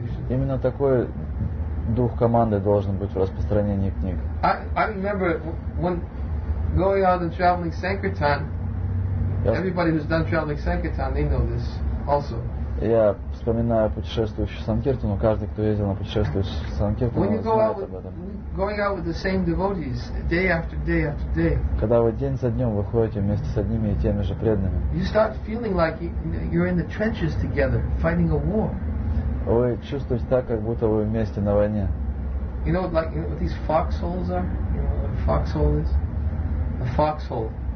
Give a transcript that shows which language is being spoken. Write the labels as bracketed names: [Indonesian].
[Russian] именно такой дух команды должен быть в распространении книг. [English] I remember when going out and traveling Sankirtan, everybody who's done traveling Sankirtan, they know this also. [Russian] Я вспоминаю путешествующих Санкиртану, каждый, кто ездил на путешествующих Санкиртану, знает об этом. [English] Going out with the same devotees, day after day after day. [Russian] Когда вы день за днем выходите вместе с одними и теми же преданными. [English] You start feeling like you're in the trenches together, fighting a war. [Russian] Вы чувствуете так, как будто вы вместе на войне. [English] You know, like, you know what these foxholes are? You know what a foxhole is? A foxhole.